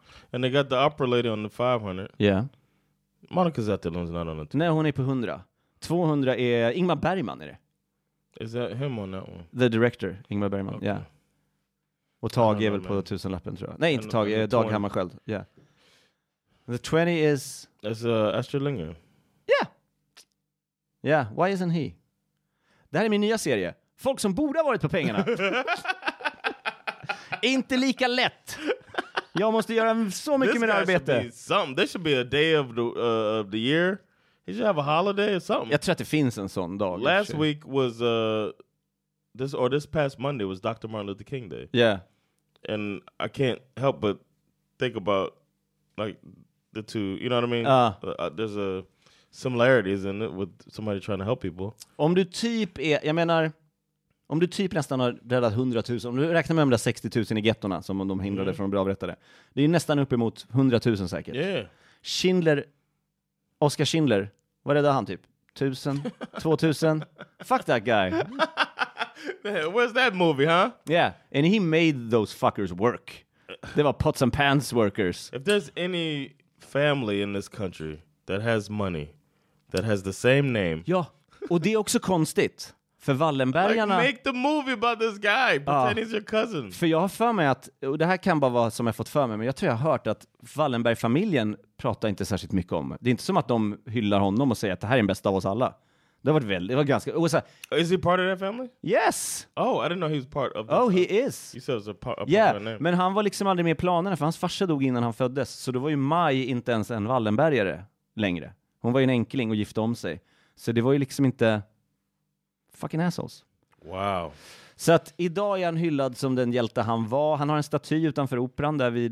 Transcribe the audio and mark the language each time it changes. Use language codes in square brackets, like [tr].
[en] And they got the opera lady on the 500. Yeah. Monica Zetterlund's not on the [sv] 200. Nej, hon är på 100. 200 är Ingmar Bergman, är det? [en] Is that him on that one? The director, Ingmar Bergman, okay. Yeah. [sv] Och Tage är väl på 1000-lappen, tror jag. Nej, inte Tage, Dag Hammarskjöld, yeah. [en] The 20 is... It's Astrid Lindgren. Yeah. Yeah, why isn't he? [sv] Det här är min nya serie. Folk som borde ha varit på pengarna. Inte lika lätt. Jag måste göra så mycket mer arbete. [en] This should be a day of the year. He should have a holiday or something. [sv] Jag tror att det finns en sån dag. [en] Last week was this past Monday was Dr. Martin Luther King Day. Yeah. And I can't help but think about like the two, you know what I mean? There's a similarities in it with somebody trying to help people. [sv] Om du typ är, jag menar, om du typ nästan har räddat 100,000, om du räknar med de där 60,000 i gettorna som de hindrade från att bli avrättade, det är nästan uppemot 100,000 säkert. [en] Yeah. [sv] Schindler, Oskar Schindler, vad räddade han typ? 1,000? 2,000? [en] Fuck that guy. Man, where's that movie, huh? Yeah, and he made those fuckers work. They were pots and pans workers. If there's any family in this country that has money, that has the same name. [sv] Ja, och det är också konstigt. För Wallenbergarna... [en] Like, make the movie about this guy. Pretend he's your cousin. [sv] För jag har för mig att... Och det här kan bara vara som jag fått för mig. Men jag tror jag har hört att Wallenberg-familjen pratar inte särskilt mycket om. Det är inte som att de hyllar honom och säger att det här är den bästa av oss alla. Det var väldigt... Det var ganska... Och så [en] här, is he part of that family? Yes! Oh, I didn't know he was part of that. Oh, family. He is. You said it was a part of that name. [sv] Men han var liksom aldrig med i planerna. För hans farsa dog innan han föddes. Så då var ju Maj inte ens en Wallenbergare längre. Hon var ju en enkling och gifte om sig. Så det var ju liksom inte [en] fucking assholes. Wow. [sv] Så att idag är han hyllad som den hjälte han var. Han har en staty utanför Operan där vid,